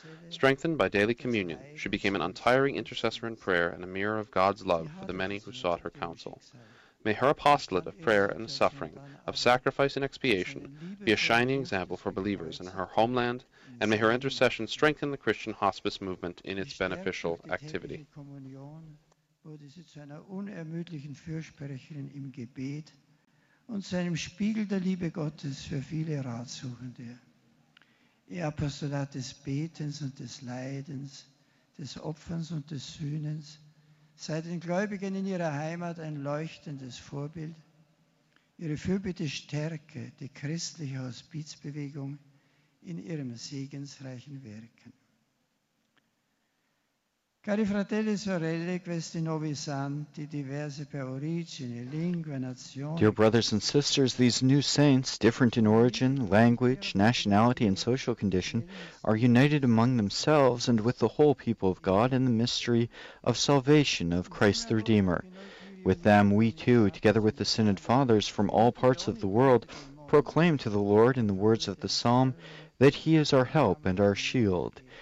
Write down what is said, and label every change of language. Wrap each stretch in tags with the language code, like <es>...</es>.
<en>Strengthened by daily communion, she became an untiring intercessor in prayer and a mirror of God's love for the many who sought her counsel. May her apostolate of prayer and suffering, of sacrifice and expiation, be a shining example for believers in her homeland, and may her intercession strengthen the Christian hospice movement in its beneficial activity.</en> <de>Wurde sie zu einer unermüdlichen Fürsprecherin im Gebet und zu einem Spiegel der Liebe Gottes für viele Ratsuchende. Ihr Apostolat des Betens und des Leidens, des Opferns und des Sühnens sei den Gläubigen in ihrer Heimat ein leuchtendes Vorbild. Ihre Fürbitte stärke die christliche Hospizbewegung in ihrem segensreichen Wirken.</de> <it>Cari fratelli e sorelle, questi nuovi santi, diversi per origine, lingua, nazione.</it> <en>Dear brothers and sisters, these new saints, different in origin, language, nationality, and social condition, are united among themselves and with the whole people of God in the mystery of salvation of Christ the Redeemer. With them, we too, together with the Synod Fathers from all parts of the world, proclaim to the Lord in the words of the psalm that He is our help and our shield.</en>